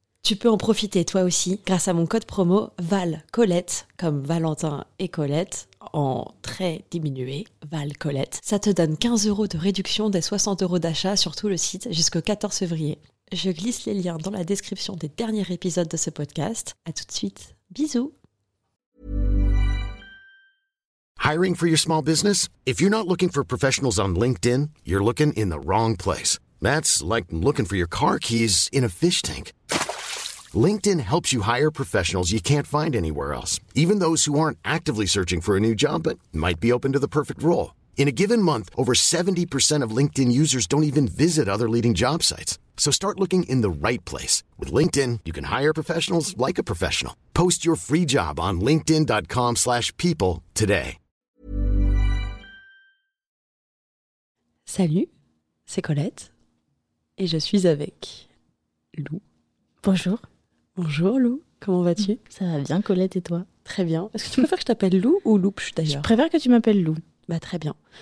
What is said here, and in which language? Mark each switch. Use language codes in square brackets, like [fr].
[fr] Tu peux en profiter toi aussi grâce à mon code promo VALCOLETTE, comme Valentin et Colette, en très diminué, VALCOLETTE. Ça te donne 15€ de réduction des 60€ d'achat sur tout le site jusqu'au 14 février. Je glisse les liens dans la description des derniers épisodes de ce podcast. A tout de suite, bisous! [en] Hiring for your small business? If you're not looking for professionals on LinkedIn, you're looking in the wrong place. That's like looking for your car keys in a fish tank. LinkedIn helps you hire professionals you can't find anywhere else, even those who aren't actively searching for a new job but might be open to the perfect role. In a given month, over 70% of LinkedIn users don't even visit other leading job sites. So start looking in the right place. With LinkedIn, you can hire professionals like a professional. Post your free job on linkedin.com/people today. [fr] Salut, c'est Colette et je suis avec Lou. Bonjour. Bonjour Lou, comment vas-tu? Ça va bien Colette et toi? Très bien. Est-ce que tu préfères que je t'appelle Lou ou Loupche d'ailleurs? Je préfère que tu m'appelles Lou. Bah très bien.